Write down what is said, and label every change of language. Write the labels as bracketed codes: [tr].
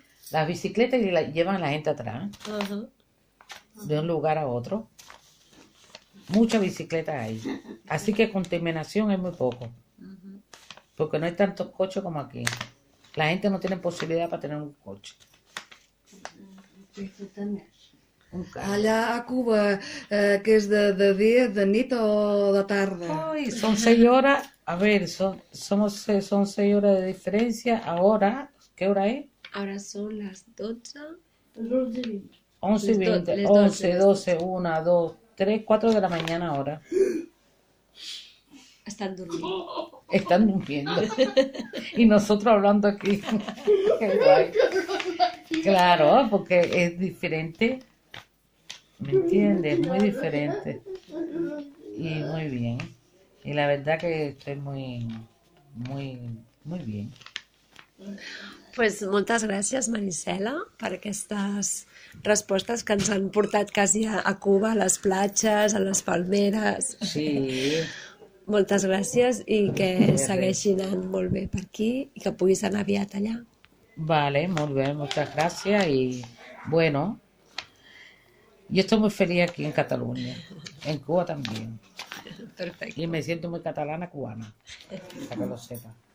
[es] Las bicicletas llevan a la gente atrás, de un lugar a otro. Muchas bicicletas hay. Así que contaminación es muy poco. Porque no hay tantos coches como aquí. La gente no tiene posibilidad para tener un coche. Un carro. [ca] Allà a Cuba, que és de dia, de nit o de tarda? [es] Ay, son 6 horas. A ver, son 6 horas de diferencia. Ahora, ¿qué hora es? [ca] Ara són les 12. 12 i 20. [es] 11 y 20. 11, [ca] 12, les 12, 12. [es] 1, 2, 3, 4 de la mañana ahora. [ca] Estan dormint. [es] Están durmiendo. Y nosotros hablando aquí. Qué guay. Claro, porque es diferente. ¿Me entiendes? Muy diferente. Y muy bien. Y la verdad que estoy muy, muy, muy bien. [ca] Pues moltes gràcies, Marisela, per aquestes respostes que ens han portat quasi a Cuba, a les platges, a les palmeres. Sí. Moltes gràcies i que De res. segueixin anant molt bé per aquí i que puguis anar aviat allà. Vale, molt bé, moltes gràcies i bueno. Jo estic molt feliç aquí en Catalunya, en Cuba també. I [es] Perfecto. me siento muy catalana cubana, para que lo sepa.